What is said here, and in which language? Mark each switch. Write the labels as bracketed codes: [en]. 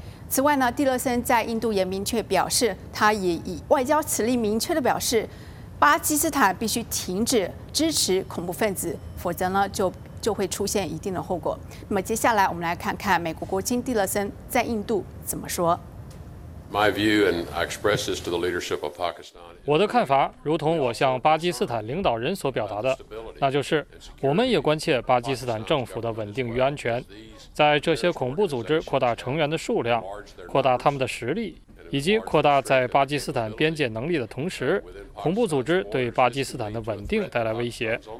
[zh] 此外呢，蒂勒森在印度也明确表示，他也以外交辞令明确地表示，巴基斯坦必须停止支持恐怖分子，否则呢就会出现一定的后果。那么接下来我们来看看美国国务卿蒂勒森在印度怎么说。 [en] My view, and I express this to the leadership of Pakistan. [zh] 我的看法如同我向巴基斯坦领导人所表达的，那就是我们也关切巴基斯坦政府的稳定与安全，在这些恐怖组织扩大成员的数量、扩大他们的实力以及扩大在巴基斯坦边界能力的同时，恐怖组织对巴基斯坦的稳定带来威胁。